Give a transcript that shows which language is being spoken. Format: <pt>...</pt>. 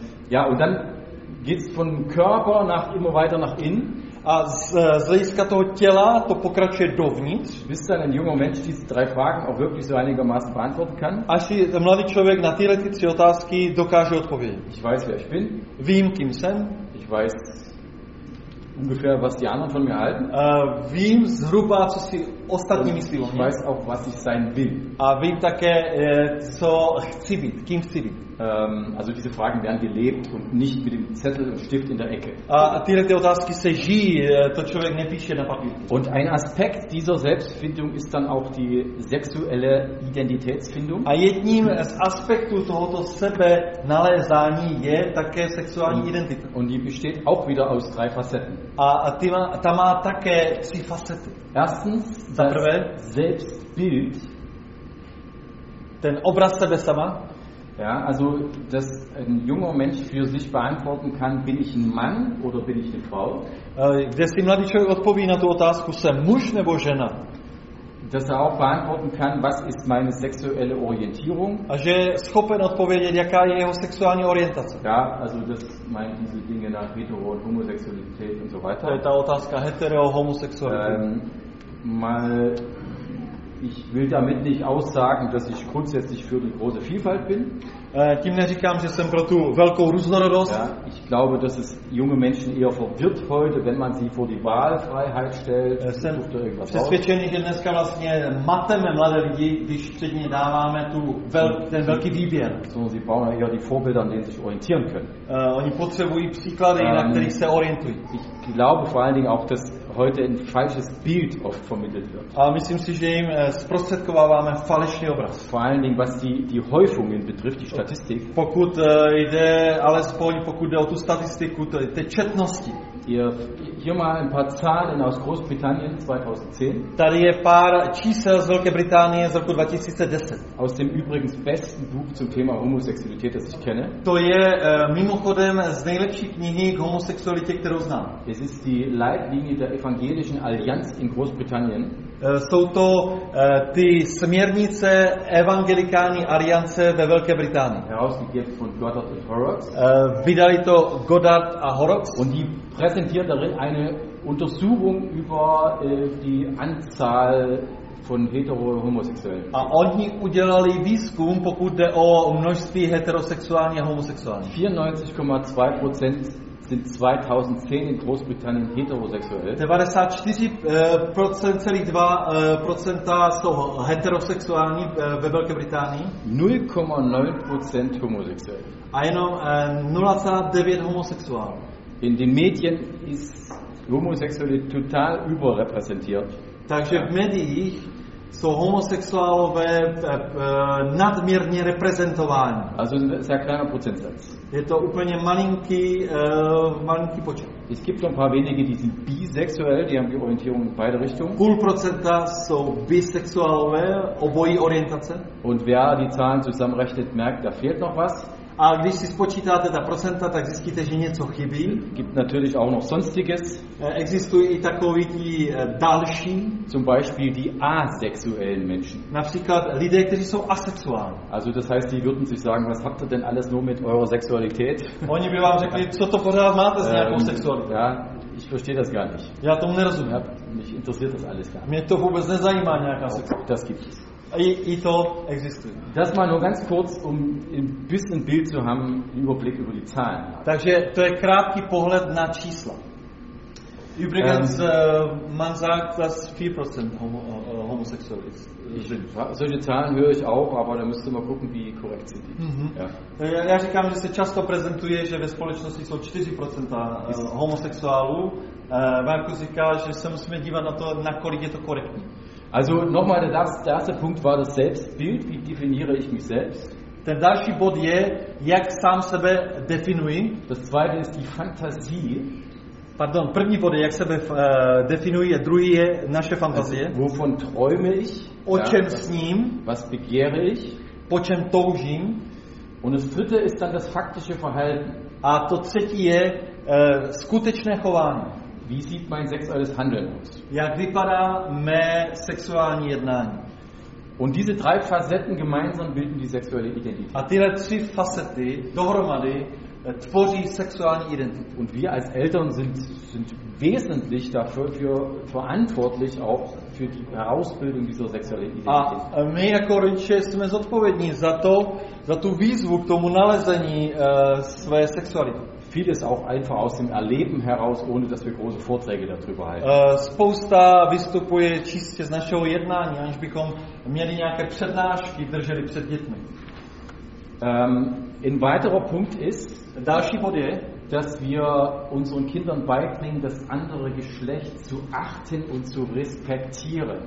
<de>Ja, und dann geht's von Körper nach immer weiter nach innen.</de> <cs>A z hlediska toho těla to pokračuje dovnitř.</cs> <de>Bis dann ein junger Mensch diese drei Fragen auch wirklich so einigermaßen beantworten kann.</de> <cs>Až mladý člověk na tyhle tři otázky dokáže odpovědět.</cs> <de>Ich weiß, wer ich bin.</de> <cs>Vím, kým jsem.</cs> <de>Ich weiß ungefähr, was die anderen von mir halten.</de> <cs>Vím zhruba, co si ostatní myslí o mě.</cs> <de>Ich weiß auch, was ich sein will.</de> <cs>A vím také, co chci být, kým chci být.</cs> <de>Also diese Fragen werden gelebt und nicht mit dem Zettel und Stift in der Ecke.</de> <cs>Tyhle otázky se žijí, to člověk nepíše na papír.</cs> <de>Und ein Aspekt dieser Selbstfindung ist dann auch die sexuelle Identitätsfindung.</de> <cs>A jedním z aspektů tohoto sebe nalézání je také sexuální identita.</cs> <de>Und die besteht auch wieder aus drei Facetten.</de> <cs>Ta má také tři facety.</cs> <de>Erstens,</de> <cs>za prvé,</cs> <de>Selbstbild,</de> <cs>ten obraz sebe sama.</cs> <de>Ja, also dass ein junger Mensch für sich beantworten kann, bin ich ein Mann oder bin ich eine Frau? Dass der</de> <cs>mladý člověk odpoví na tu otázku, jsem muž nebo žena?</cs> <de>Dass er auch beantworten kann, was ist meine sexuelle Orientierung?</de> <cs>A že schopen odpovědět, jaká je jeho sexuální orientace?</cs> <de>Ja, also das meint diese Dinge nach hetero und Homosexualität und so weiter.</de> <cs>Ta otázka hetero, homosexualität.</cs> <de>Mal Ich will damit nicht aussagen, dass ich grundsätzlich für eine große Vielfalt bin.</de> <cs>Tím neříkám, že jsem pro tu velkou různorodost.</cs> <de>Ja, ich glaube, dass es junge Menschen eher verwirrt heute, wenn man sie vor die Wahlfreiheit stellt.</de> <cs>Jsem přesvědčený, že dneska vlastně mateme mladé lidi, když před ně dáváme tu ten velký výběr.</cs> <de>Sie brauchen eher die Vorbilder, an denen sich orientieren können.</de> <cs>Oni potřebují příklady, na kterých se orientují.</cs> <de>Ich glaube vor allen Dingen auch, dass heute ein falsches Bild oft vermittelt wird.</de> <cs>A myslím si, že jim zprostředkováváme falešný obraz.</cs> <de>Vor allen Dingen, was die Häufungen betrifft, die Statistik.</de> <cs>Pokud jde alespoň, pokud jde o tu statistiku, té četnosti.</cs> <de>Hier mal ein paar Zahlen aus Großbritannien 2010.</de> <cs>Tady je pár čísel z Velké Británie z roku 2010.</cs> <de>Aus dem übrigens besten Buch zum Thema Homosexualität, das ich kenne.</de> <cs>To je mimochodem z nejlepší knihy k homosexualitě, kterou znám.</cs> <de>Es ist die Leitlinie der Evangelischen Allianz in Großbritannien.</de> <cs>Jsou to ty směrnice Evangelikální aliance ve Velké Británii.</cs> <de>Herausgegeben von Goddard und Horrocks.</de> <cs>Vydali to Goddard a Horrocks.</cs> <de>Und die präsentiert darin eine Untersuchung über die Anzahl von heterohomosexuellen.</de> <cs>A oni udělali výzkum, pokud jde o množství heterosexuální a homosexuální.</cs> <de>94,2% sind 2010 in Großbritannien heterosexuell.</de> <cs>94,2% jsou heterosexuální ve Velké Británii.</cs> <de>0,9% homosexuell.</de> <cs>A jenom 0,9% homosexuál.</cs> <de>In den Medien ist Homosexualität total überrepräsentiert.</de> <cs>Takže v médiích jsou homosexuálové nadměrně reprezentováni.</cs> <de>Also ein sehr kleiner Prozentsatz.</de> <cs>Je to úplně malinký, malinký počet.</cs> <de>Es gibt noch ein paar wenige, die sind bisexuell, die haben die Orientierung in beide Richtungen.</de> <cs>0,5% jsou bisexuálové, obojí orientace.</cs> <de>Und wer die Zahlen zusammenrechnet, merkt, da fehlt noch was.</de> <cs>A když si spočítáte ta procenta, tak zjistíte, že něco chybí.</cs> <de>Gibt natürlich auch noch sonstiges.</de> <cs>Existují i takový ti další.</cs> <de>Zum Beispiel die asexuellen Menschen.</de> <cs>Například lidé, kteří jsou asexuální.</cs> <de>Also das heißt, die würden sich sagen, was habt ihr denn alles nur mit eurer Sexualität?</de> <cs>Oni by vám řekli, co to pořád máte s nějakou sexualitou.</cs> <de>Ja, ich verstehe das gar nicht.</de> <cs>Já tomu nerozumím.</cs> <de>Mich interessiert das alles gar nicht.</de> <cs>Mě to vůbec nezajímá nějaká sexualita.</cs> <de>Das gibt es.</de> <cs>I to existuje.</cs> <de>Das mal nur ganz kurz, um ein bisschen Bild zu haben, einen Überblick über die Zahlen.</de> <cs>Takže to je krátký pohled na čísla.</cs> <de>Übrigens, man sagt, dass 4% homosexuell ist. Solche Zahlen höre ich auch, aber da müsste man gucken, wie korrekt sind die.</de> <cs>Ja říkám, že se často prezentuje, že ve společnosti jsou 4% homosexuálů. Marku říká, že se musíme dívat na to, nakolik je to korektní.</cs> <de>Also nochmal, der erste Punkt war das Selbstbild. Wie definiere ich mich selbst?</de> <cs>Ten další bod je, jak sám sebe definuji.</cs> <de>Das zweite ist die Fantasie.</de> <cs>Pardon, první bod je, jak sebe definuji, a druhý je naše fantazie.</cs> <de>Also, wovon träume ich?</de> <cs>O čem sním?</cs> <de>Was begehre ich?</de> <cs>Po čem toužím?</cs> <de>Und das dritte ist dann das faktische Verhalten.</de> <cs>A to třetí je skutečné chování.</cs> <de>Wie sieht mein sexuelles Handeln aus?</de> <cs>Jak vypadá mé sexuální jednání?</cs> <de>Und diese drei Facetten gemeinsam bilden die sexuelle Identität.</de> <cs>A tyhle tři facety dohromady tvoří sexuální identitu.</cs> <de>Und wir als Eltern sind wesentlich dafür verantwortlich auch für die Herausbildung dieser sexuellen Identität.</de> <cs>A my jako rodiče jsme zodpovědní za to, za tu výzvu k tomu nalezení své sexuality.</cs> <de>Vieles auch einfach aus dem Erleben heraus, ohne dass wir große Vorträge darüber halten.</de> <cs>Spousta vystupuje čistě z našeho jednání, aniž bychom měli nějaké přednášky drželi před dětmi.</cs> <de>Ein weiterer Punkt ist,</de> <cs>další bod je,</cs> <de>dass wir unseren Kindern beibringen, das andere Geschlecht zu achten und zu respektieren.</de>